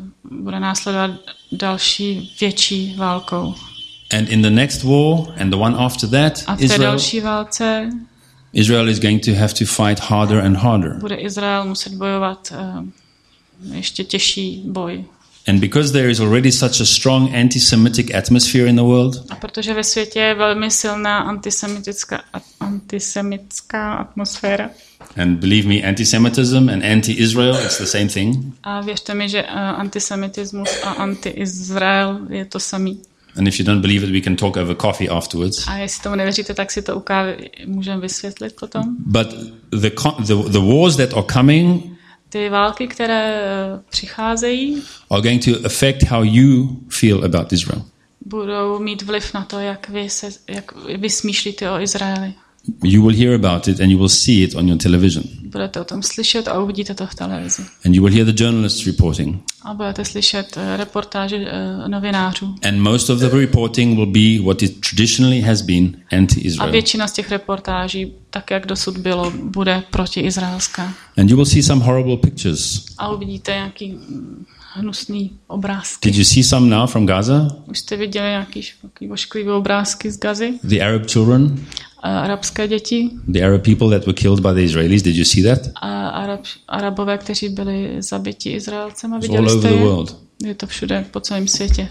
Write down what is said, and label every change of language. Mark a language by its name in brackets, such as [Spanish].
[Czech] Bude následovat další větší válkou. [English] And in the next war and the one after that, [Czech] a v té Israel, další válce, [English] Israel is going to have to fight harder and harder. [Czech] Bude Izrael muset bojovat ještě těžší boj. [English] And because there is already such a strong anti-Semitic atmosphere in the world. [Czech] A protože ve světě je velmi silná antisemitská atmosféra. [English] And believe me, antisemitism and anti-Israel, it's the same thing. [Czech] A věřte mi, že antisemitismus a anti-Izrael je to samý. [English] And if you don't believe it, we can talk over coffee afterwards. [Czech] A jestli tomu nevěříte, tak si to u kávy můžeme vysvětlit potom. [English] But the wars that are coming. [Czech] Ty války, které přicházejí, [English] are going to affect how you feel about Israel. [Czech] Budou mít vliv na to, jak vy smýšlíte o Izraeli. [English] You will hear about it and you will see it on your television. [Czech] Budete o tom slyšet a uvidíte to v televizi. [English] And you will hear the journalists reporting. [Czech] A budete slyšet reportáže novinářů. [English] And most of the reporting will be what it traditionally has been, anti-Israel. [Czech] A většina z těch reportáží, tak jak dosud bylo, bude protiizraelská. [English] And you will see some horrible pictures. [Czech] A uvidíte nějaký hnusný obrázky. [English] Did you see some now from Gaza? [Czech] Už jste viděli nějaký ošklivý obrázky z Gazy? [English] The Arab children. [Czech] Arabské děti. [English] The Arab people that were killed by the Israelis, did you see that? [Czech] Arabové, kteří byli zabiti Izraelcem, a viděli jste. [English] All over the world. [Czech] Je to všude po celém světě.